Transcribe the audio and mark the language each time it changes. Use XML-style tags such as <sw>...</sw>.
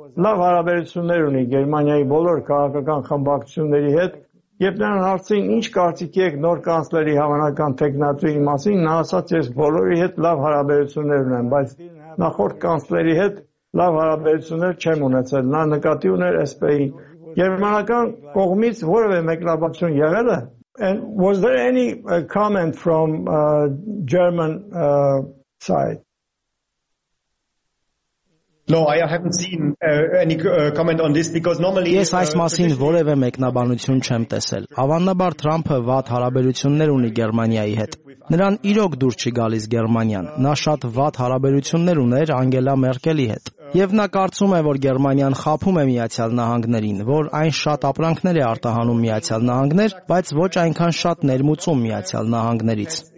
<hy>լավ հարաբերություններ ունի Գերմանիայի բոլոր քաղաքական խմբակցությունների հետ, եւ նրան հարցին, ինչ կարծիք եք նոր կանսլերի հավանական տեխնատուի մասին, նա ասաց, ես բոլորի հետ լավ հարաբերություններ ունեմ, բայց նախորդ կանսլերի հետ լավ հարաբերություններ չեմ ունեցել, նա նկատի ուներ SP-ի Գերմանական կողմից որևէ մեկնաբանություն եղելը։</hy> <en>And was there any comment from German side? No, I haven't seen any comment on this because normally</en> <hy>Yes, այս մասին որևէ մեկնաբանություն չեմ տեսել։ Հավանաբար Թրամփը վատ հարաբերություններ ունի Գերմանիայի հետ։ Նրան իրոք դուր չի գալիս Գերմանիան։ Նա շատ վատ հարաբերություններ ուներ Անգելա Մերկելի հետ։ Եվ նա կարծում է, որ Գերմանիան խափում է Միացյալ Նահանգներին, որ այն շատ ապրանքներ է արտահանում Միացյալ Նահանգներ, բայց ոչ այնքան շատ ներմուծում Միացյալ Նահանգներից,</hy>